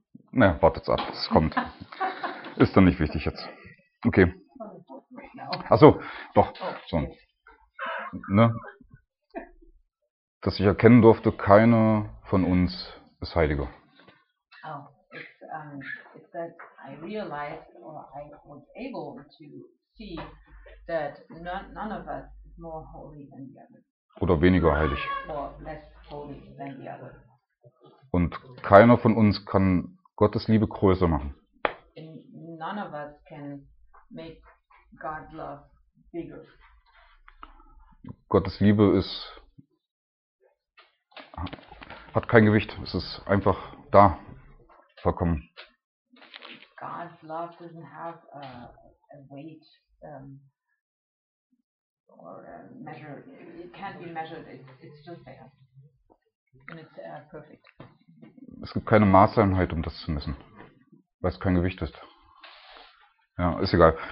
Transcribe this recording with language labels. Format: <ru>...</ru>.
<de>Na, wartet's ab, es kommt. Ist dann nicht wichtig jetzt. Okay. Achso, doch. So. Ne? Dass ich erkennen durfte, keiner von uns ist heiliger.</de> <en>Oh, it's that I realized or I was able to see that none of us is more holy than the other.</en> <de>Oder weniger heilig.</de> <en>Or less holy than the other.</en> <de>Und keiner von uns kann Gottes Liebe größer machen.</de> <en>And none of us can make God's love bigger.</en> <de>Gottes Liebe ist hat kein Gewicht, es ist einfach da, vollkommen.</de> <en>God's love doesn't have a weight or a measure. It can't be measured. It's just there and it's perfect.</en> <de>Es gibt keine Maßeinheit, um das zu messen, weil es kein Gewicht ist. Ja, ist egal.</de>